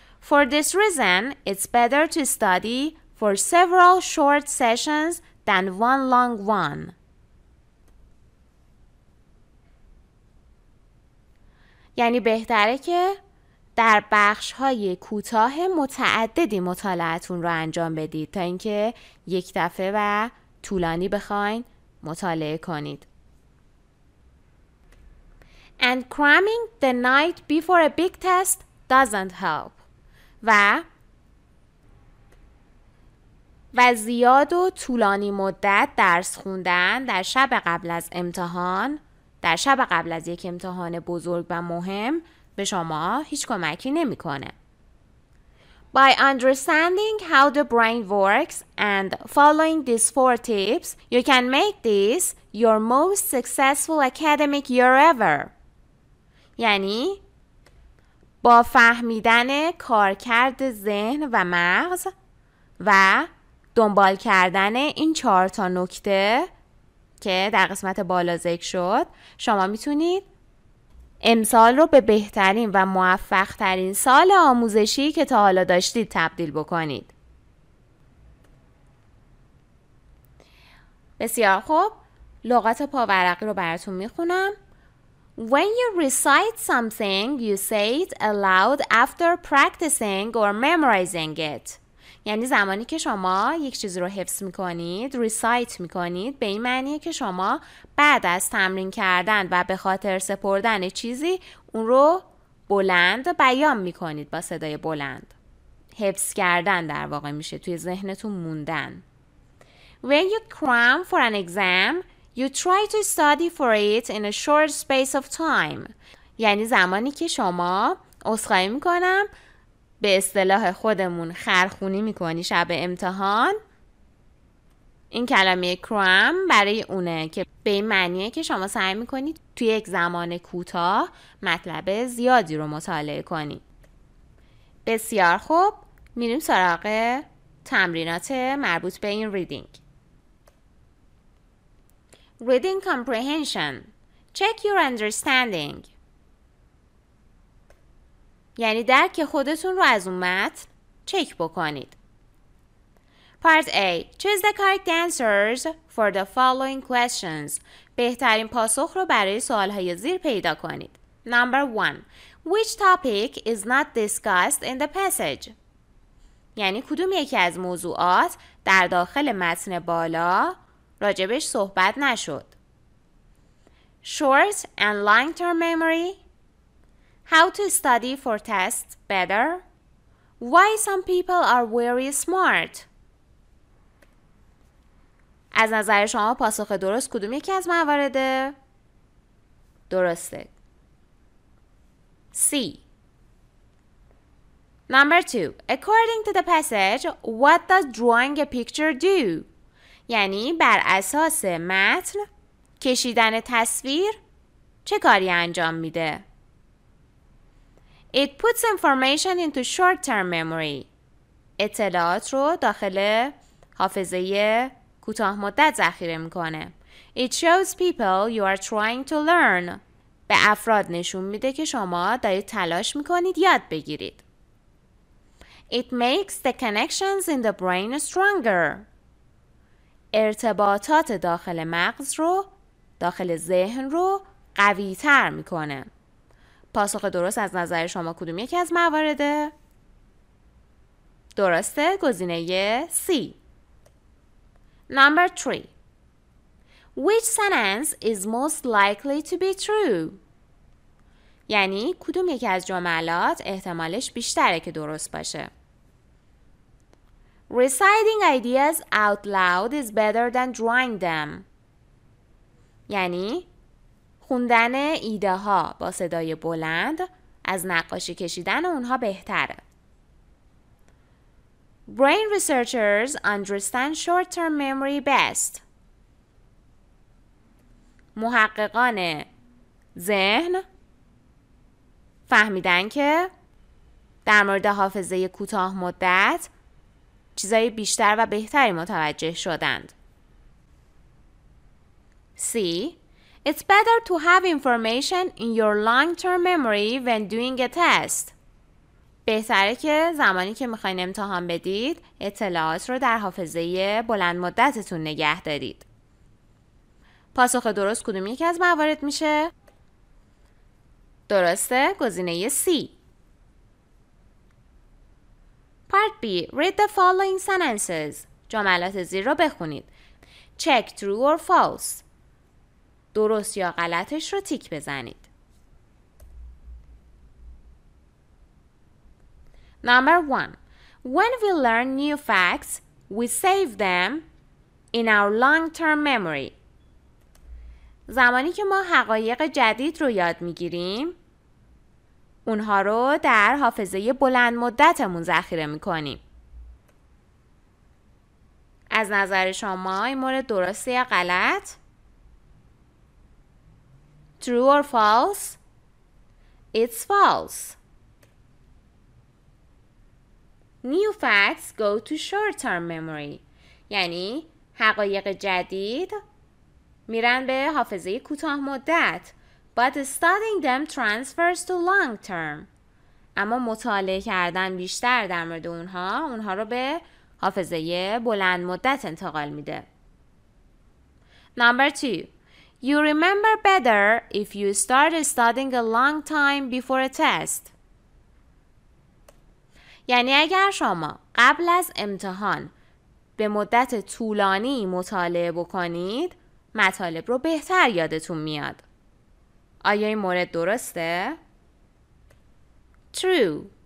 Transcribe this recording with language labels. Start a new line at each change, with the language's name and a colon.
English: For this reason, it's better to study for several short sessions than one long one.
Persian: یعنی یعنی بهتره که در بخش‌های کوتاه متعددی مطالعه‌تون رو انجام بدید تا اینکه یک دفعه و طولانی بخواین مطالعه کنید.
English: And cramming the night before a big test doesn't help.
Persian: و زیاد و طولانی مدت درس خوندن در شب قبل از امتحان، در شب قبل از یک امتحان بزرگ و مهم به شما هیچ کمکی نمی کنه.
English: By understanding how the brain works and following these four tips, you can make this your most successful academic year ever.
Persian: یعنی با فهمیدن کارکرد ذهن و مغز و دنبال کردن این چهار تا نکته که در قسمت بالا ذکر شد، شما میتونید امسال رو به بهترین و موفق ترین سال آموزشی که تا حالا داشتید تبدیل بکنید. بسیار خوب، لغات پاورقی رو براتون میخونم.
English: When you recite something, you say it aloud after practicing or memorizing it.
Persian: یعنی زمانی که شما یک چیز رو حفظ میکنید، recite میکنید، به این معنیه که شما بعد از تمرین کردن و به خاطر سپردن چیزی اون رو بلند بیان میکنید با صدای بلند. حفظ کردن در واقع میشه، توی ذهنتون موندن.
English: When you cram for an exam, you try to study for it in a short space of time.
Persian: یعنی زمانی که شما اسخای میکنم، به اصطلاح خودمون خرخونی میکنی شب امتحان، این کلمه cram برای اونه که به این معنیه که شما سعی میکنید توی یک زمان کوتاه مطلب زیادی رو مطالعه کنی. بسیار خوب، میریم سراغ تمرینات مربوط به این ریدینگ.
English: Reading comprehension. Check your understanding.
Persian: یعنی درک خودتون رو از اون متن چک بکنید.
English: Part A. Choose the correct answers for the following questions.
Persian: بهترین پاسخ رو برای سوال‌های زیر پیدا کنید.
English: Number 1. Which topic is not discussed in the passage?
Persian: یعنی کدوم یکی از موضوعات در داخل متن بالا راجبش صحبت نشد.
English: Short and long term memory. How to study for tests better. Why some people are very smart.
Persian: از نظر شما پاسخ درست کدوم یکی از موارد درسته؟ C.
English: Number 2. According to the passage, what does drawing a picture do?
Persian: یعنی بر اساس متن کشیدن تصویر چه کاری انجام میده؟
English: It puts information into short-term memory.
Persian: اطلاعات رو داخل حافظه کوتاه مدت ذخیره میکنه.
English: It shows people you are trying to learn.
Persian: به افراد نشون میده که شما دارید تلاش میکنید یاد بگیرید.
English: It makes the connections in the brain stronger.
Persian: ارتباطات داخل مغز رو، داخل ذهن رو قوی تر میکنه. پاسخ درست از نظر شما کدوم یکی از موارده؟ درسته، گزینه C.
English: Number 3. Which sentence is most likely to be true?
Persian: یعنی کدوم یکی از جملات احتمالش بیشتره که درست باشه؟
English: Reciting ideas out loud is better than drawing them.
Persian: یعنی خوندن ایده ها با صدای بلند از نقاشی کشیدن اونها بهتره.
English: Brain researchers understand short-term memory best.
Persian: محققان ذهن فهمیدن که در مورد حافظه کوتاه مدت چیزای بیشتر و بهتری متوجه شدند.
English: C. It's better to have information in your long-term memory when doing a test.
Persian: بهتره که زمانی که میخواین امتحان بدید اطلاعات رو در حافظه بلند مدتتون نگه دارید. پاسخ درست کدوم یکی از موارد میشه؟ درسته؟ گزینه C.
English: Part B. Read the following sentences.
Persian: جملات زیر رو بخونید.
English: Check true or false.
Persian: درست یا غلطش رو تیک بزنید.
English: Number 1. When we learn new facts, we save them in our long-term memory.
Persian: زمانی که ما حقایق جدید رو یاد میگیریم، اونها رو در حافظه بلند مدتمون ذخیره میکنیم. از نظر شما این مورد درست یا غلط؟
English: True or false? It's false. New facts go to short-term memory.
Persian: یعنی حقایق جدید میرن به حافظه کوتاه مدت.
English: But studying them transfers to long term.
Persian: اما مطالعه کردن بیشتر در مورد اونها رو به حافظه بلند مدت انتقال میده.
English: Number 2. You remember better if you start studying a long time before a test.
Persian: یعنی اگر شما قبل از امتحان به مدت طولانی مطالعه بکنید، مطالب رو بهتر یادتون میاد. آیا این مورد درسته؟
English: True.